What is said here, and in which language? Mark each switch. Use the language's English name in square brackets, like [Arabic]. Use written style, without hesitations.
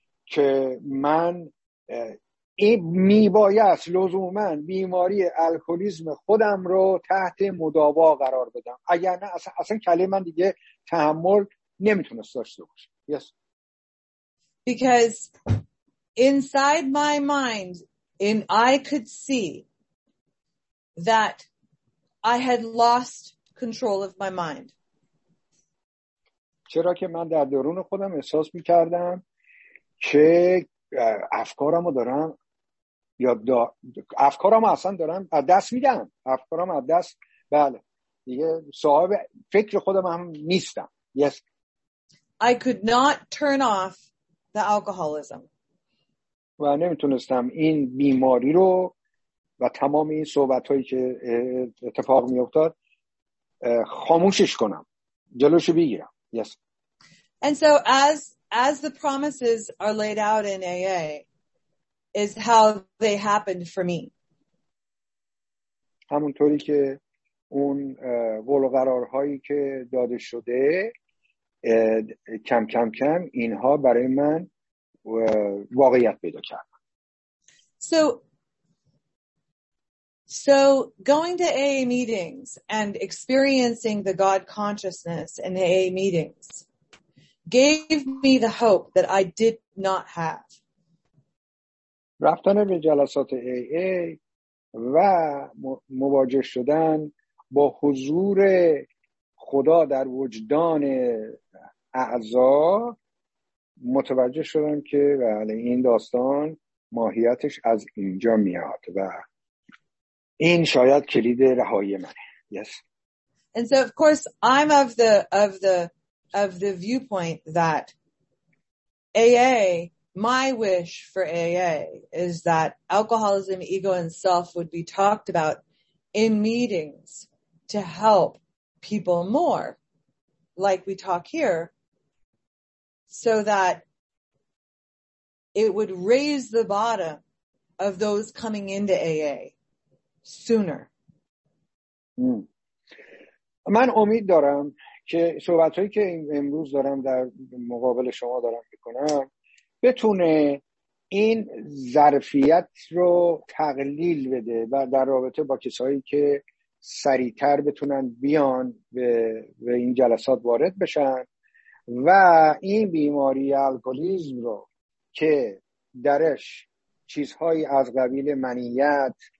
[Persian] که من این میبایست لزومن بیماری الکلیسم خودم رو تحت مداوا قرار بدم، اگر نه اصلا کلی من دیگه تحمل نمیتونست داشته باشم. [English] Yes. Because inside my mind, and I could see that I had lost control of my mind. [Persian] چرا که من در درون خودم احساس میکردم که افکارمو دارم یا افکارمو اصلا دارم از دست میدم، افکارمو از دست، بله دیگه صاحب فکر خودم هم نیستم. [English] Yes. I could not turn off the alcoholism. [Persian] و نمیتونستم این بیماری رو و تمام این صحبتهایی که اتفاق میافتاد خاموشش کنم، جلوشو بگیرم. [English] Yes. And so as the promises are laid out in AA is how they happened for me. [Persian] همونطوری که اون قول و قرارهایی که داده شده کم کم کم اینها برای من واقعیت پیدا کرد. [English] So going to AA meetings and experiencing the God consciousness in the AA meetings gave me the hope that I did not have. [Persian] رفتن به جلسات AA و مواجه شدن با حضور خدا در وجدان اعضا، متوجه شدم که بله این داستان ماهیتش از اینجا میاد و این شاید کلید رهایی منه. [English] Yes. And so of course I'm of the viewpoint that AA, my wish for AA is that alcoholism, ego and self would be talked about in meetings to help people more like we talk here, so that it would raise the bottom of those coming into AA sooner. [Persian] من امید دارم که صحبتایی که امروز دارم در مقابل شما دارم میکنم بتونه این ظرفیت رو تقلیل بده و در رابطه با کسایی که سریعتر بتونن بیان به این جلسات وارد بشن و این بیماری الکلیسم رو که درش چیزهایی از قبیل منیت